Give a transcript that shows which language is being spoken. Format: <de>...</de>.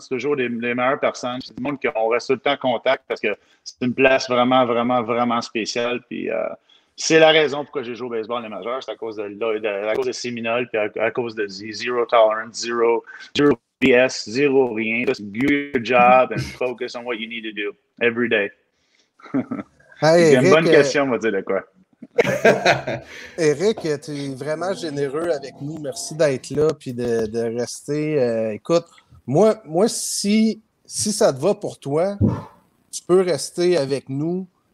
<fr>C'est toujours les meilleures personnes. C'est du monde qu'on reste tout le temps en contact parce que c'est une place vraiment, vraiment, vraiment spéciale. Puis c'est la raison pourquoi j'ai joué au baseball les majeurs, c'est à cause de Seminole, puis à cause de Zero Tolerance, Zero BS, Zero Rien.</fr> <en>Just good job and focus on what you need to do every day.</en> <fr>Hey, c'est Eric, une bonne question, on va dire de quoi. Eric, tu es vraiment généreux avec nous. Merci d'être là puis de rester. Écoute, moi si ça te va pour toi, tu peux rester avec nous.</fr>